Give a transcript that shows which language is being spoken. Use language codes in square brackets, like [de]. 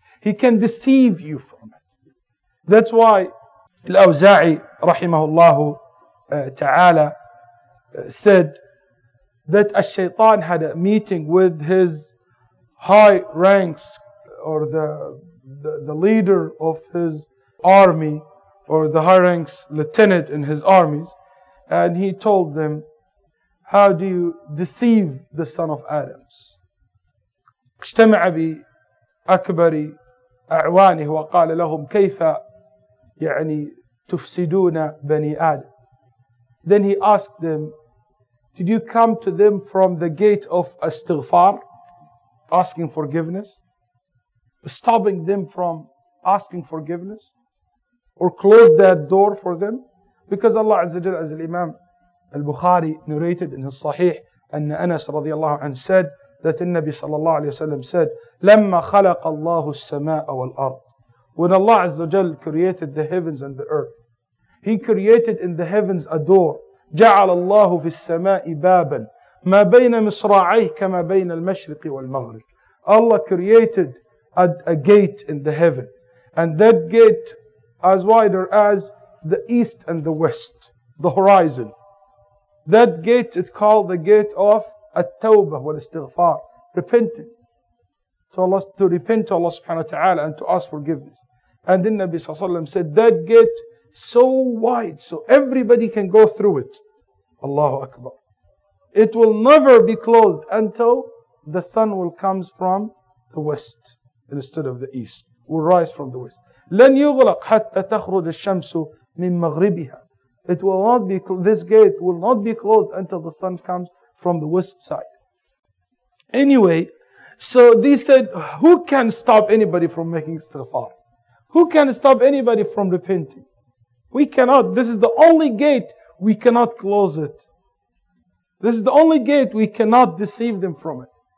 [en] He can deceive you from it. That's why الأوزاعي رحمه الله تعالى said that الشيطان had a meeting with his high ranks, or the leader of his army, or the high ranks lieutenant in his armies, and he told them, how do you deceive the son of Adams? [ar] اجتمع بأكبر أعوانه وقال لهم كيف يعني تفسدون بني آدم. [en] Then he asked them, did you come to them from the gate of astighfar, asking forgiveness? Stopping them from asking forgiveness? Or close that door for them? Because Allah Azza wa Jalla, as Imam al-Bukhari narrated in his Sahih, أن أنس رضي الله عنه said, that النبي صلى الله عليه وسلم said, [ar] لما خلق الله السماء والأرض. [en] When Allah Azza wa Jalla created the heavens and the earth, He created in the heavens a door. [ar] جعل الله في السماء بابا ما بين مصراعيه كما بين المشرق والمغرب. [en] Allah created a gate in the heaven, and that gate as wider as the east and the west, the horizon. That gate is called the gate of التوبه والاستغفار, repenting to Allah, to repent to Allah subhanahu wa ta'ala and to ask forgiveness. And the Nabi sallallahu alaihi wasallam said that gate so wide, so everybody can go through it. Allahu Akbar. It will never be closed until the sun will come from the west instead of the east. Will rise from the west. [ar] لن يغلق حتى تخرج الشمس من مغربها. [en] It will not be, this gate will not be closed until the sun comes from the west side. Anyway, so they said, who can stop anybody from making istighfar? Who can stop anybody from repenting? We cannot. This is the only gate, we cannot close it. This is the only gate, we cannot deceive them from it.